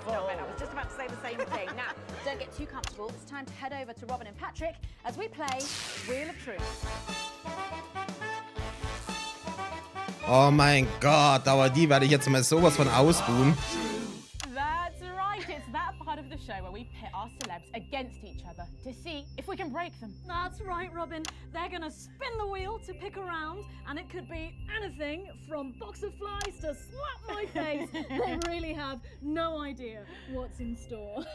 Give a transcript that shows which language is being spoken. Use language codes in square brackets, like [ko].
[en] Stop it, I was just about to say the same thing. Now, don't get too comfortable. It's time to head over to Robin and Patrick as we play Wheel of Truth. [de] Oh mein Gott, aber die werde ich jetzt mal sowas von ausbuhen. [en] That's right, it's that part of the show where we pit our celebs against each other to see if we can break them. That's right, Robin. They're gonna spin the wheel to pick a round, and it could be anything from box of flies to slap my face. They really have no idea what's in store.